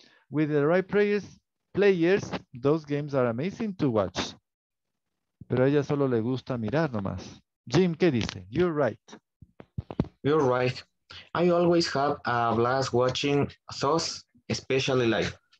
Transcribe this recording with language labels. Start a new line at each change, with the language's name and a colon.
English: With the right players, those games are amazing to watch.
Spanish: Pero a ella solo le gusta mirar nomás.
English: Jim,
Spanish: ¿qué dice?
English: You're right. You're right. I always have a blast watching those, especially live.